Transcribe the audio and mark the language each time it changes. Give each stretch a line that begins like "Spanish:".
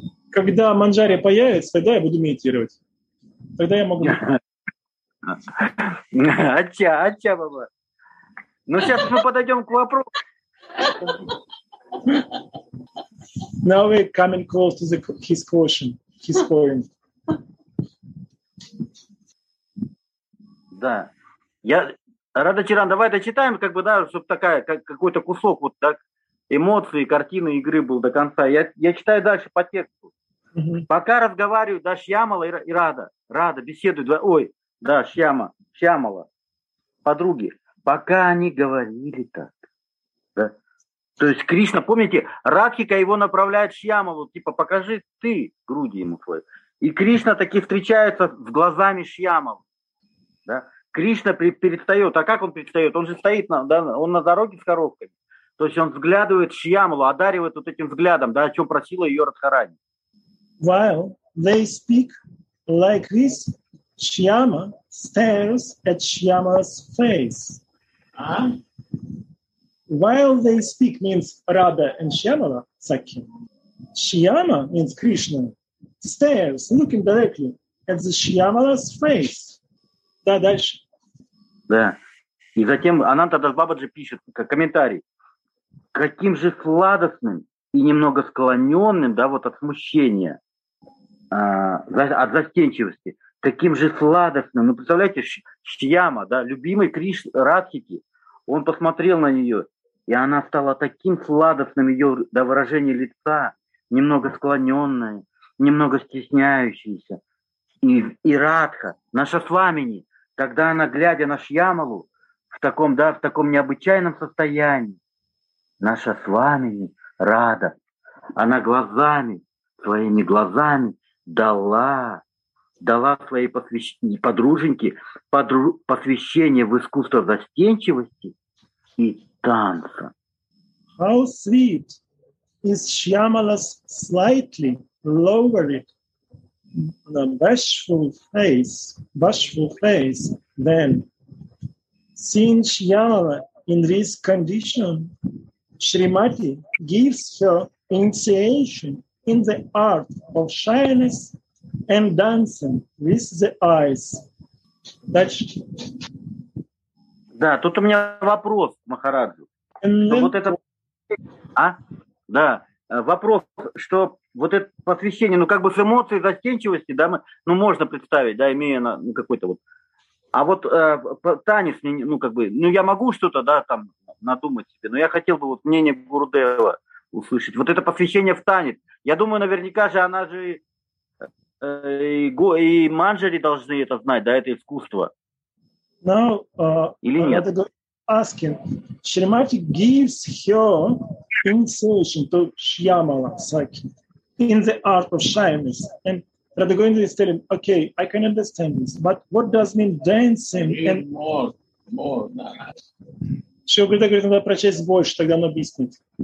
Russian: Когда Манджария появится, тогда я буду медитировать. Тогда я могу. Ача, ача, баба. Ну, сейчас мы подойдем к вопросу.
English: Now we're coming close to the, his question. His point.
Russian: Да. Я, Радачаран, давай дочитаем, как бы, да, чтобы такая, как, какой-то кусок вот так эмоций, картины, игры был до конца. Я читаю дальше по тексту. Mm-hmm. Пока разговаривают, да, Шьямала и Рада. Рада беседуют. Ой, да, Шьямала. Подруги. Пока они говорили так. Да? То есть Кришна, помните, Радхика его направляет Шьямалу. Типа, покажи ты груди ему твои. И Кришна таки встречается с глазами Шьямалы. Да? Кришна перестает. А как он перестает? Он же стоит, да, он на дороге с коробками. То есть он взглядывает Шьямалу, одаривает вот этим взглядом, да, о чем просила ее Радхарани.
English: While they speak like this, Shyama stares at Shyama's face. While they speak means Radha and Shyamala, Sakya. Shyama means Krishna, stares, looking directly at the Shyamala's face.
Russian: Да, дальше. Да. И затем Анантада Бабаджи пишет комментарий. Каким же сладостным и немного склоненным, да, вот от смущения. От застенчивости. Каким же сладостным. Ну, представляете, Шьяма, да, любимый Криш Радхики, он посмотрел на нее, и она стала таким сладостным, ее да, выражение лица, немного склоненное, немного стесняющееся. И Радха, наша Свамини, когда она, глядя на Шьямалу, в таком необычайном состоянии, наша Свамини, Рада, она глазами, своими глазами дала своей подруженьке посвящение в искусство застенчивости и танца.
English: How sweet is Shyamala's slightly lowered the bashful face then seeing Shyamala in this condition, Shrimati gives her initiation in the art of shyness and dancing with the eyes.
Russian: Дальше. Да, тут у меня вопрос, Махараджу. Вот это... А? Да, вопрос, что вот это посвящение, ну как бы с эмоцией застенчивости, да, мы, ну можно представить, да, имея на, ну, какой-то вот... А вот танец, ну как бы, ну я могу что-то, да, там надумать себе, но я хотел бы вот мнение Гурудева услышать. Вот это посвящение в танец. Я думаю, наверняка же она же и Манджари должны это знать, да, это искусство.
English: Now,
Russian: или нет?
English: Asking, Shrimati gives her initiation to Shyamala Sakya in the art of shyness. And Radhagovinda is telling, okay, I can understand this, but what does mean dancing? And... More.
Russian: Шиогурда говорит, надо прочесть больше, тогда он объяснит.